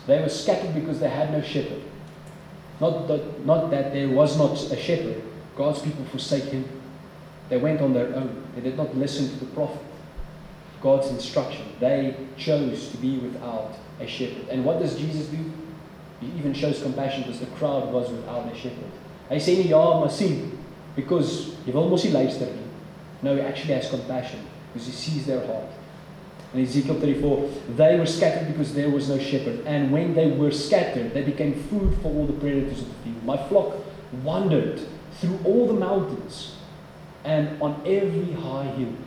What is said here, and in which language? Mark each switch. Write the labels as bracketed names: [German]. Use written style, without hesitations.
[English] They were scattered because they had no shepherd. Not that there was not a shepherd. God's people forsake him. They went on their own. They did not listen to the prophet. God's instruction. They chose to be without a shepherd. And what does Jesus do? He even shows compassion because the crowd was without a shepherd. [Afrikaans] Hy sê nie ja, maar sien, because jy wil mos nie luister nie. [English] No, he actually has compassion because he sees their heart. In Ezekiel 34, they were scattered because there was no shepherd. And when they were scattered, they became food for all the predators of the field. My flock wandered through all the mountains and on every high hill.